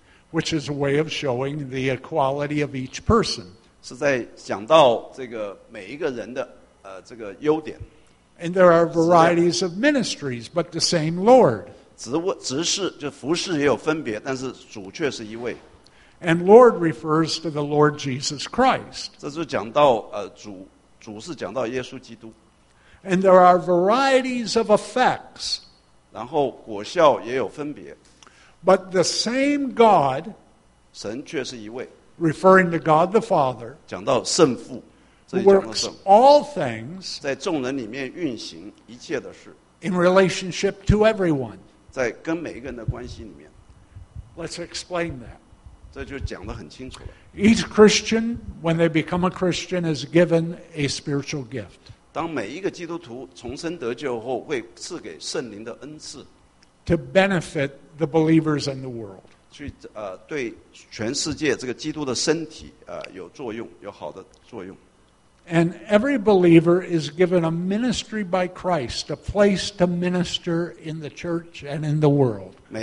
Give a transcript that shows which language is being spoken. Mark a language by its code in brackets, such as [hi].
[en] Which is a way of showing the equality of each person. [zh] 是在讲到这个每一个人的优点。 [en] And there are varieties of ministries, but the same Lord. [zh] 职事就服事也有分别，但是主却是一位。 [en] And Lord refers to the Lord Jesus Christ. [zh] 这是讲到主是讲到耶稣基督。 [en] And there are varieties of effects. [zh] 然后果效也有分别。 [en] But the same God, [zh] 神却是一位。 [en] Referring to God the Father, [zh] 讲到圣父。 [en] Works all things [zh] 在众人里面运行一切的事, [en] in relationship to everyone. [zh] 在跟每一个人的关系里面, [en] let's explain that. [zh] 这就讲得很清楚了。 [en] Each Christian, when they become a Christian, is given a spiritual gift. [zh] 当每一个基督徒重生得救后, 会赐给圣灵的恩赐, [en] to benefit the believers in the world. [zh] 去对全世界这个基督的身体, 有作用, 有好的作用。 [en] And every believer is given a ministry by Christ, a place to minister in the church and in the world.